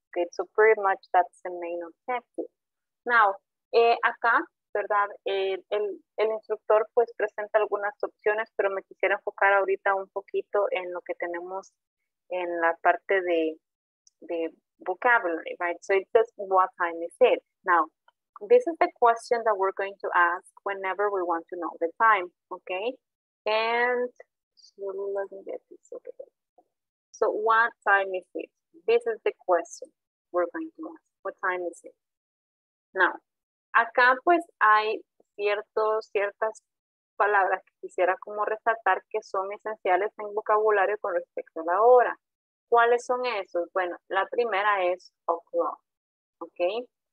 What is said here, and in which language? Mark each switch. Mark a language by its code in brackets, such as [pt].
[en] Okay, so pretty much that's the main objective. [es] Now, acá, ¿verdad? El instructor pues presenta algunas opciones, pero me quisiera enfocar ahorita un poquito en lo que tenemos en la parte de vocabulary, right? [en] So it says, what time is it? Now, this is the question that we're going to ask whenever we want to know the time, okay? And so let me get this, okay. So what time is it? This is the question we're going to ask. What time is it? [es] Now, acá pues hay ciertas palabras que quisiera como resaltar que son esenciales en vocabulario con respecto a la hora. ¿Cuáles son esos? Bueno, la primera es o'clock, ¿ok?